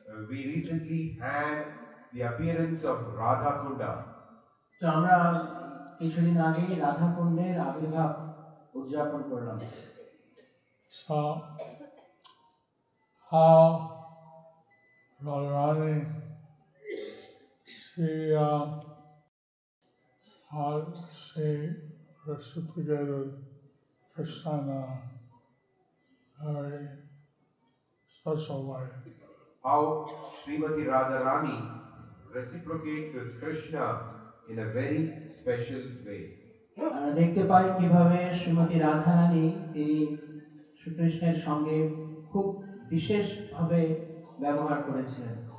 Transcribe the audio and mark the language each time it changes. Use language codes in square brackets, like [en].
[en] We recently had the appearance of Radha Kunda. [bn] তো আমরা কিছুদিন আগে রাধা কুণ্ডের আবির্ভাব উদযাপন করলাম. [en] So, how Radharani, she reciprocated Krishna in a very special way. How Srimati Radharani reciprocated with Krishna in a very special way. [bn] আমরা দেখতে পাই কিভাবে শ্রীমতী রাধারানী তিনি শ্রীকৃষ্ণের সঙ্গে খুব বিশেষভাবে ব্যবহার করেছিলেন.